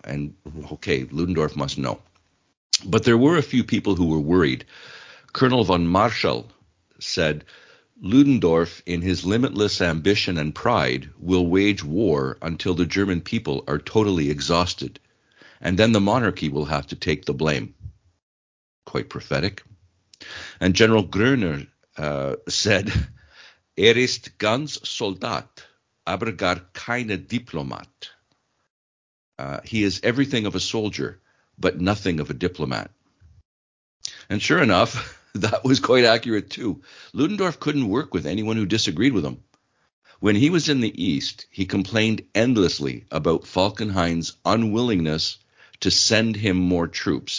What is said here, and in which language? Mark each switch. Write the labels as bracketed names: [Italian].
[English] And okay, Ludendorff must know. But there were a few people who were worried. Colonel von Marschall said, Ludendorff, in his limitless ambition and pride, will wage war until the German people are totally exhausted. And then the monarchy will have to take the blame. Quite prophetic. And General Gröner said, [German] ist ganz Soldat, aber gar keine Diplomat. [English] He is everything of a soldier, but nothing of a diplomat. And sure enough, that was quite accurate too. Ludendorff couldn't work with anyone who disagreed with him. When he was in the East, he complained endlessly about Falkenhayn's unwillingness to send him more troops.